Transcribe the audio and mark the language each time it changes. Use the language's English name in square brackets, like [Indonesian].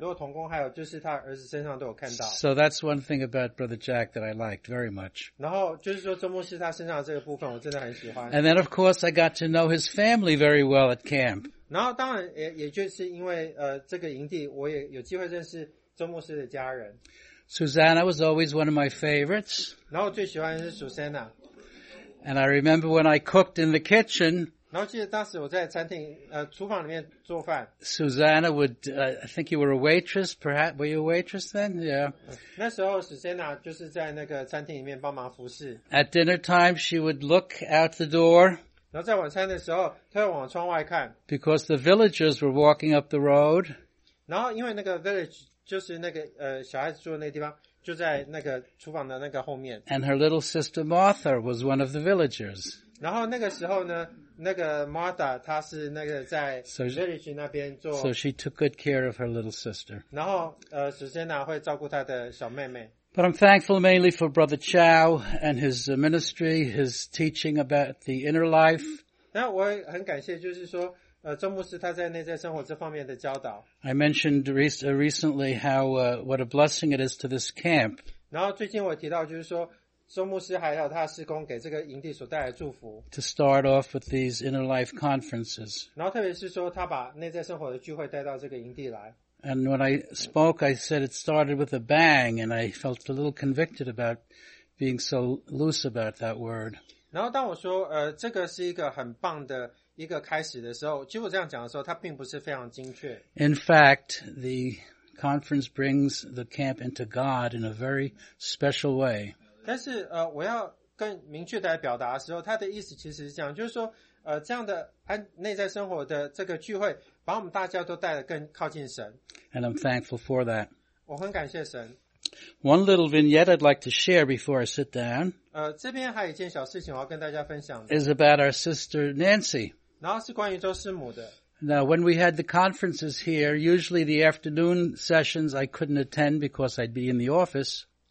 [Chinese] 然后他那样的特质跟特性，我在他很多同工还有就是他儿子身上都有看到。 [English] So that's one thing about Brother Jack that I liked very much. [Chinese] 然后就是说周牧师他身上这个部分我真的很喜欢。 [English] And then of course I got to know his family very well at camp. [Chinese] 然后当然也就是因为这个营地我也有机会认识周牧师的家人。 [English] Susanna was always one of my favorites. [Chinese] 然后最喜欢的是Susanna。 [English] And I remember when I cooked in the kitchen, [Chinese] 然后记得当时我在餐厅厨房里面做饭。 [English] Susanna would, I think you were a waitress, perhaps, were you a waitress then? Yeah. [Chinese] 那时候Susanna就是在那个餐厅里面帮忙服侍。 [English] At dinner time, she would look out the door. [Chinese] 然后在晚餐的时候,她会往窗外看。 [English] Because the villagers were walking up the road. [Chinese] 然后因为那个village,就是那个小孩子住的那个地方, 就在那个厨房的那个后面。 [English] And her little sister Martha was one of the villagers. [Chinese] 然后那个时候呢, 那个Martha她是那个在Village那边做, [English] so she took good care of her little sister. [Chinese] 然后, Susanna会照顾她的小妹妹。 [English] But I'm thankful mainly for Brother Chow and his ministry, his teaching about the inner life. [Chinese] 那我很感谢就是说, 周牧师他在内在生活这方面的教导。 [English] I mentioned recently how what a blessing it is to this camp. [Chinese] 然后最近我提到就是说, 周牧师还有他施工给这个营地所带来的祝福。 [English] To start off with these inner life conferences. [Chinese] 然后特别是说他把内在生活的聚会带到这个营地来。 [English] And when I spoke, I said it started with a bang, and I felt a little convicted about being so loose about that word. [Chinese] 然后当我说, 这个是一个很棒的一个开始的时候, 其实我这样讲的时候, 它并不是非常精确。 [English] In fact, the conference brings the camp into God in a very special way. [Chinese] 但是, 我要更明确地表达的时候, 他的意思其实是这样, 就是说, 这样的内在生活的这个聚会, 把我们大家都带得更靠近神。 [English] And I'm thankful for that. [Chinese] 我很感谢神。 [English] One little vignette I'd like to share before I sit down, [Chinese] 这边还有一件小事情我要跟大家分享的, [English] is about our sister Nancy. [Chinese] 然后是关于周师母的。 [English] Now, when we had the conferences here, usually the afternoon sessions I couldn't attend because I'd be in the office.